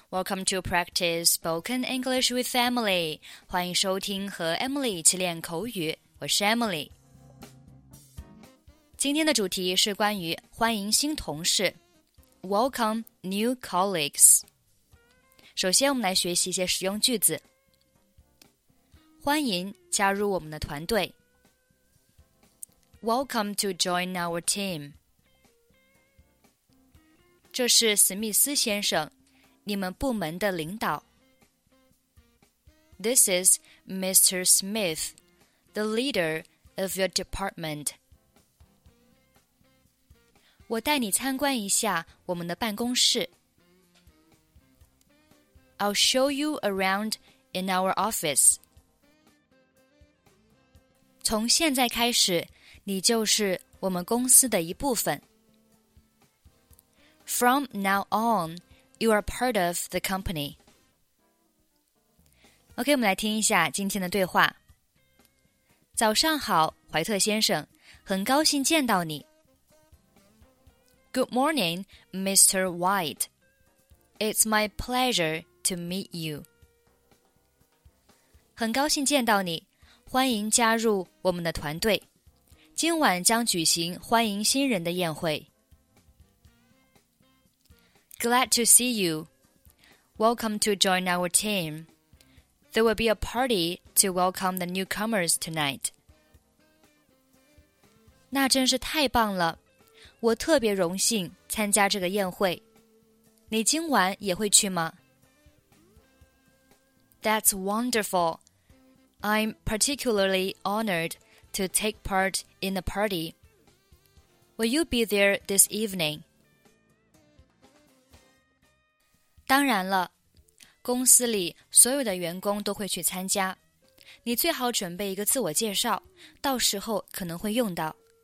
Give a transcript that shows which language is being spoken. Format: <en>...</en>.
<en>Welcome to Practice Spoken English with Emily.</en> <zh>欢迎收听和 Emily 一起练口语。我是 Emily。今天的主题是关于欢迎新同事。</zh> <en>Welcome new colleagues.</en> <zh>首先我们来学习一些实用句子。欢迎加入我们的团队。</zh> <en>Welcome to join our team.</en> <zh>这是史密斯先生，你们部门的领导。</zh> <en>This is Mr. Smith, the leader of your department.</en> <zh>我带你参观一下我们的办公室。</zh> <en>I'll show you around in our office.</en> <zh>从现在开始，你就是我们公司的一部分。</zh> <en>From now on, you are part of the company.</en> <zh>OK, 我们来听一下今天的对话。早上好，怀特先生，很高兴见到你。</zh> <en>Good morning, Mr. White. It's my pleasure to meet you.</en> <zh>很高兴见到你，欢迎加入我们的团队。今晚将举行欢迎新人的宴会。</zh> <en>Glad to see you. Welcome to join our team. There will be a party to welcome the newcomers tonight.</en> <zh>那真是太棒了，我特别荣幸参加这个宴会。你今晚也会去吗？</zh> <en>That's wonderful. I'm particularly honored to take part in the party. Will you be there this evening?</en> <zh>当然了，公司里所有的员工都会去参加。你最好准备一个自我介绍，到时候可能会用到。</zh>